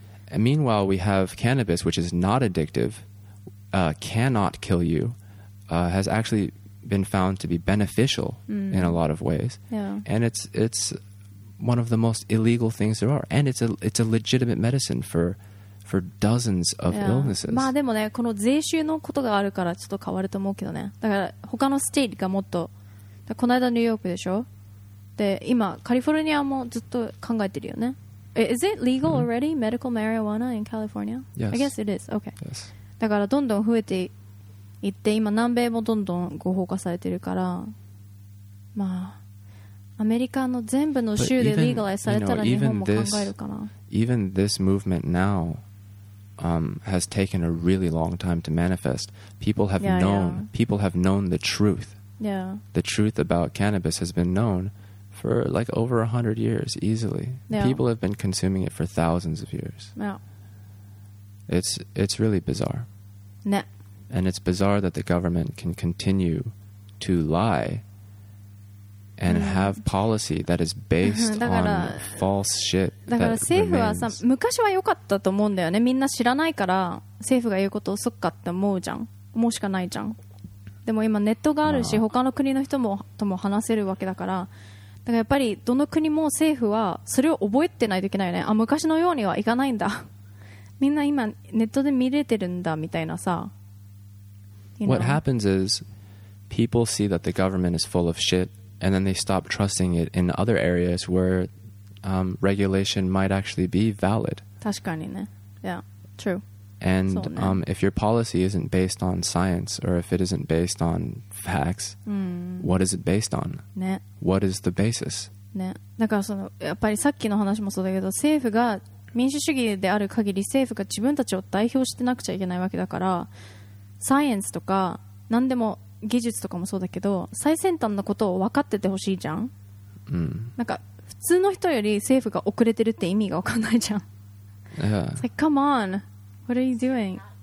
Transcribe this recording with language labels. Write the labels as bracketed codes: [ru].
[en] And meanwhile, we have cannabis, which is not addictive, cannot kill you, has actually been found to be beneficial in a lot of ways. Yeah. And it's one of the most illegal things there are. And it's a legitimate medicine for dozens of illnesses. [ja] まあでもね、この税収のことがあるからちょっと変わると思うけどね。だから他のステートがもっと、だからこの間ニューヨークでしょ? で、今カリフォルニアもずっと考えてるよね。 [en] Is it legal already, medical marijuana in California? Yes. I guess it is. Okay. Yes. [ja] だからどんどん増えていって、今南米もどんどん合法化されてるから、まあ、アメリカの全部の州で legalize されたら日本も考えるかな。 [en] Even this movement now, has taken a really long time to manifest. People have people have known the truth. Yeah. The truth about cannabis has been known for like over 100 years, easily. Yeah. People have been consuming it for thousands of years. Yeah. It's really bizarre. Yeah. And it's bizarre that the government can continue to lie and have policy that is based on false shit. [ja] だから政府はさ、昔は良かったと思うんだよね。みんな知らないから政府が言うことをそっかって思うじゃん。思うしかないじゃん。でも今ネットがあるし、他の国の人もとも話せるわけだから、だからやっぱりどの国も政府はそれを覚えてないといけないよね。あ、昔のようにはいかないんだ。みんな今ネットで見れてるんだみたいなさ。 [en] What happens is people see that the government is full of shit. And then they stop trusting it in other areas where regulation might actually be valid. [ja] 確かにね。 [en] Yeah, true. And if your policy isn't based on science or if it isn't based on facts, what is it based on? [ja] ね。 [en] What is the basis? [ja] ね。だからその、やっぱりさっきの話もそうだけど、政府が民主主義である限り政府が自分たちを代表してなくちゃいけないわけだから、サイエンスとか何でも技術とかもそうだけど最先端のことを分かっててほしいじゃん、なんか普通の人より政府が遅れてるって意味が分かんないじゃん、 [en] yeah. It's like, come on, what are you doing?